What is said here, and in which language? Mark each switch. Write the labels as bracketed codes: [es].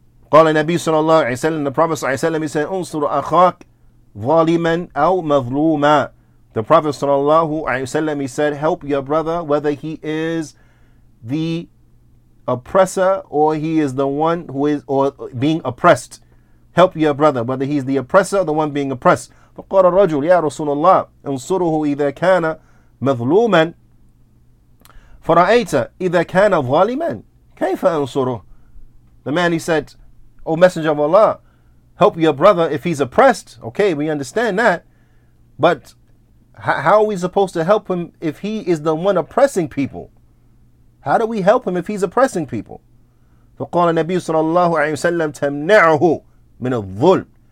[ar] قال النبي صلى الله عليه وسلم, [en] the Prophet [ar] صلى الله عليه وسلم [en] said, [ar] انصر أخاك ظالما أو مظلوما. [en] The Prophet صلى الله عليه وسلم said, help your brother whether he is the oppressor or he is the one who is or being oppressed. Help your brother whether he's the oppressor or the one being oppressed. [ar] فقال الرجل يا رسول الله انصره إذا كان مظلوما فرأيت إذا كان ظالما كيف أنصره. [en] The man, he said, O Messenger of Allah, help your brother if he's oppressed. Okay, we understand that. But how are we supposed to help him if he is the one oppressing people? How do we help him if he's oppressing people? [ar] فَقَالَ النَّبِيُّ صَلَى اللَّهُ عَلَيْهِ وَسَلَّمْ تَمْنَعُهُ مِنَ الظُّلْمِ.